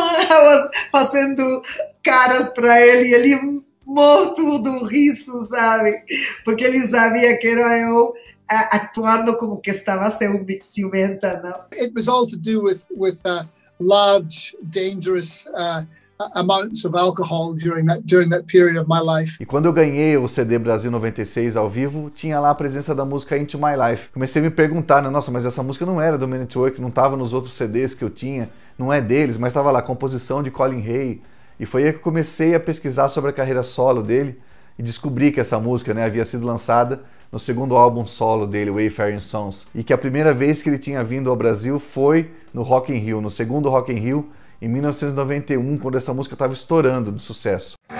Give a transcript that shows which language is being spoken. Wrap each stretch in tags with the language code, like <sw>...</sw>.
<pt>Eu was fazendo caras para ele, ele morto do riso, sabe? Porque ele sabia que era eu atuando como que estava sendo ciumenta, não?</pt> <en>It was all to do with large, dangerous amounts of alcohol during that period of my life.</en> <pt>E quando eu ganhei o CD Brasil 96 ao vivo, tinha lá a presença da música Into My Life. Comecei a me perguntar, né? Nossa, mas essa música não era do Men at Work, não estava nos outros CDs que eu tinha, não é deles, mas estava lá, composição de Colin Hay. E foi aí que comecei a pesquisar sobre a carreira solo dele e descobri que essa música, né, havia sido lançada no segundo álbum solo dele, Wayfarings Sons, e que a primeira vez que ele tinha vindo ao Brasil foi no Rock in Rio, no segundo Rock in Rio, em 1991, quando essa música estava estourando de sucesso.</pt>